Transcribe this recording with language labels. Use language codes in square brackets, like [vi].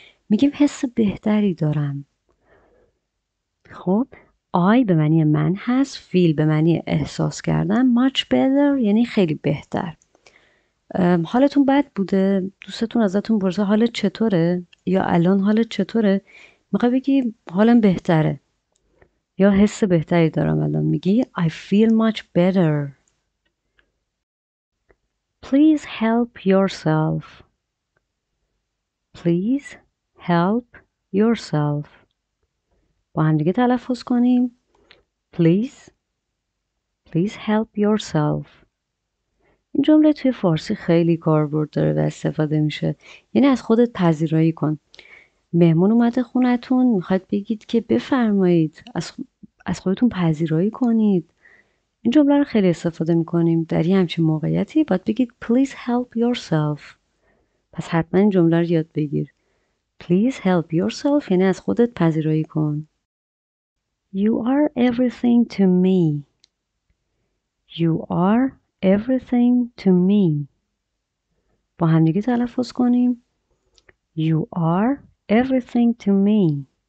[fa] میگیم حس بهتری دارم. خب آی به معنی من هست. فیل به معنی احساس کردن. [en] much better [fa] یعنی خیلی بهتر. حالتون بد بوده؟ دوستتون ازتون پرسه حالت چطوره؟ یا الان حالت چطوره؟ میخوای بگی حالم بهتره. یا حس بهتری دارم الان. میگی [en] I feel much better. Please help yourself. Please help yourself. [fa] با هم دیگه تلفظ کنیم. [en] Please help yourself. [fa] این جمله توی فارسی خیلی کاربرد داره و استفاده میشه. یعنی از خودت پذیرایی کن. مهمون اومده خونتون، میخواد بگید که بفرمایید. از خودتون پذیرایی کنید. این جمله رو خیلی استفاده میکنیم در یه همچین موقعیتی. باید بگید [en] Please help yourself. [fa] پس حتما این جمله رو یاد بگیر. [en] Please help yourself [fa] یعنی از خودت پذیرایی کن. [en] You are everything to me. You are everything to me. [fa] با هم دیگه تلفظ کنیم. [en] You are everything to me.